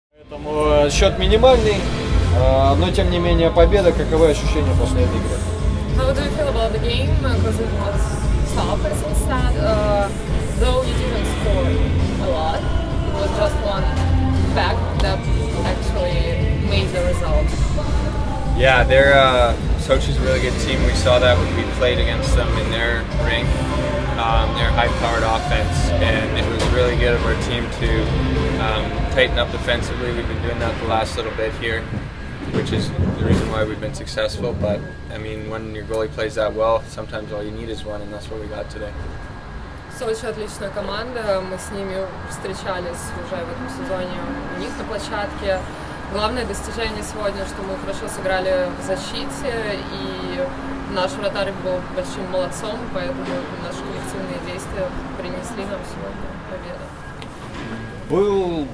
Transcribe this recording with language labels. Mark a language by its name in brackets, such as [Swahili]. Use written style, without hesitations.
[Russian] Поэтому счет минимальный, но тем не менее победа. Каковы ощущения после этой игры? [English] How do you feel about the game? Because it was tough, as we said. Though you didn't score a lot, it was just one fact that actually made the result. Yeah, they're Sochi's a really good team. We saw that when we played against them in their rink. Their high-powered offense, and it was really good of our team to tighten up defensively. We've been doing that the last little bit here, which is the reason why we've been successful. But I mean, when your goalie plays that well, sometimes all you need is one, and that's what we got today. [Russian] Сочи отличная команда. Мы с ними встречались уже в этом сезоне у них на площадке. Главное достижение сегодня, что мы хорошо сыграли в защите, и наш вратарь был большим молодцом, поэтому наши коллективные действия принесли нам сегодня победу.